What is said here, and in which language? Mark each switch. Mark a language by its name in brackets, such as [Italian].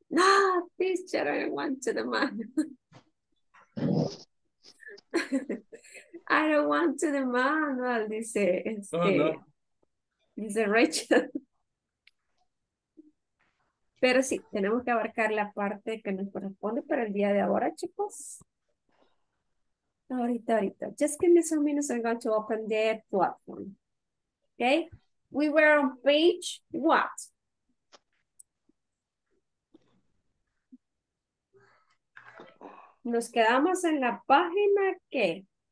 [English] No, teacher, I don't want to the manual. I don't want to the manual, [Spanish] dice este. No. Dice Rachel. Pero sí, tenemos que abarcar la parte que nos corresponde para el día de ahora, chicos. Ahorita. [English] Just give me some minutes, I'm going to open the platform. Okay, we were on page what? [Spanish] Nos quedamos en la página que